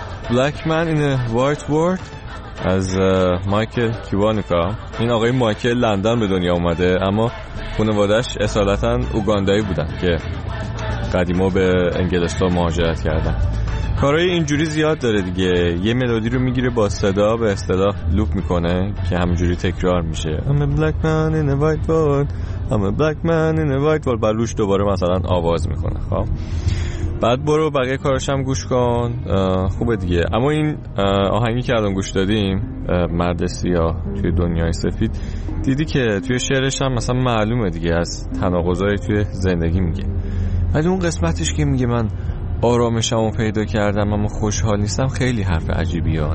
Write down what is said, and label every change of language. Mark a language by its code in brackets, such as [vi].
[fa] Black Man in a White World از مایکل کیوانوکا. این آقای مایکل لندن به دنیا اومده اما خانواده‌اش اصالتاً اوگاندایی بودن که قدیما به انگلستان مهاجرت کردن. کارهای اینجوری زیاد داره دیگه، یه ملودی رو میگیره با صدا به اصطلاح لوپ میکنه که همجوری تکرار میشه. [en] I'm a black man in a white world. I'm a black man in a white world. [fa] بعد روش دوباره مثلا آواز میکنه. خب بعد برو بقیه کاراشم گوش کن، خوبه دیگه. اما این آهنگی که الان گوش دادیم، مرد سیاه توی دنیای سفید، دیدی که توی شعرش هم مثلا معلومه دیگه از تناقضای توی زندگی میگه، ولی اون قسمتش که میگه من آرامشم رو پیدا کردم اما خوشحال نیستم، خیلی حرف عجیبیه.